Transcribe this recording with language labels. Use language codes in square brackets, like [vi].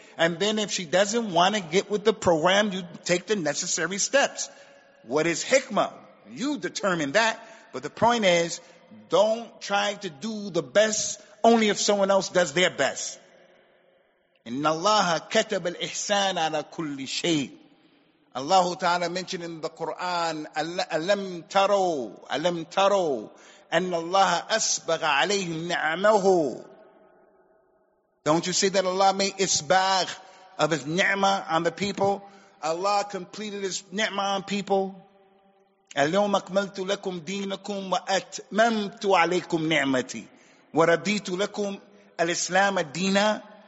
[en] And then if she doesn't want to get with the program, you take the necessary steps. What is hikmah? You determine that. But the point is, don't try to do the best only if someone else does their best. [ar] إِنَّ اللَّهَ كَتَبَ الْإِحْسَانَ عَلَى كُلِّ شَيْءٍ. [en] Allah Ta'ala mentioned in the Quran, [ar] أَلَمْ تَرَوْا أَنَّ اللَّهَ أَسْبَغَ عَلَيْهِمْ نِعَمَهُ. [en] Don't you see that Allah made isbag of His ni'mah on the people? Allah completed His ni'mah on people. [ar] أَلْيَوْمَ أَكْمَلْتُ لَكُمْ دِينَكُمْ وَأَتْمَمْتُ عَلَيْكُمْ نِعْمَتِي وَرَضِيتُ لَكُمْ الْإِسْلَامَ دِينًا.